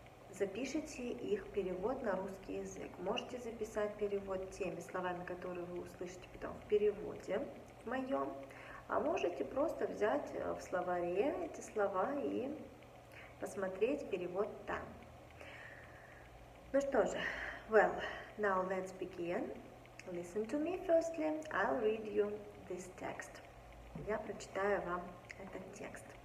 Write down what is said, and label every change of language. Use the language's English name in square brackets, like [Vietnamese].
[Russian] Запишите их перевод на русский язык. Можете записать перевод теми словами, которые вы услышите потом в переводе моем. А можете просто взять в словаре эти слова и посмотреть перевод там. Ну что же, [English] well, now let's begin. Listen to me firstly, I'll read you this text. [Russian] Я прочитаю вам этот текст.